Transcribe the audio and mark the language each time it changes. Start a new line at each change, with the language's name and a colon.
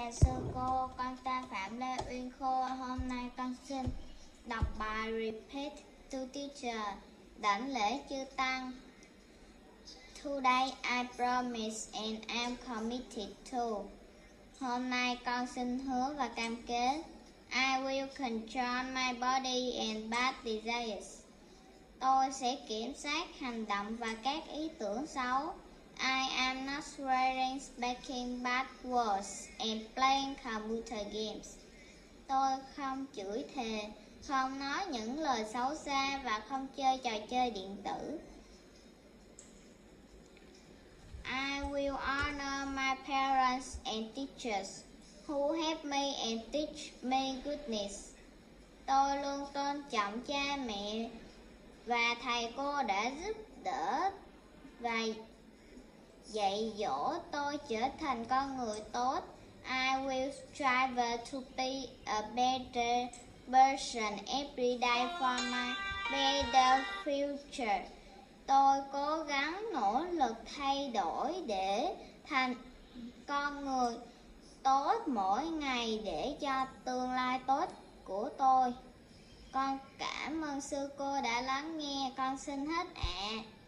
Vietnamese: sư cô, con tên Phạm Lê Uyên Khô. Hôm nay con xin đọc bài Repeat to Teacher, đảnh lễ chư tăng.
English: Today I promise and I'm committed to.
Vietnamese: Hôm nay con xin hứa và cam kết.
English: I will control my body and bad desires.
Vietnamese: Tôi sẽ kiểm soát hành động và các ý tưởng xấu.
English: I am not swearing, speaking bad words and playing computer games.
Vietnamese: Tôi không chửi thề, không nói những lời xấu xa và không chơi trò chơi điện tử.
English: I will honor my parents and teachers who help me and teach me goodness.
Vietnamese: Tôi luôn tôn trọng cha mẹ và thầy cô đã giúp đỡ và dạy dỗ tôi trở thành con người tốt.
English: I will strive to be a better person every day for my better future.
Vietnamese: Tôi cố gắng nỗ lực thay đổi để thành con người tốt mỗi ngày để cho tương lai tốt của tôi. Con cảm ơn sư cô đã lắng nghe. Con xin hết ạ. À.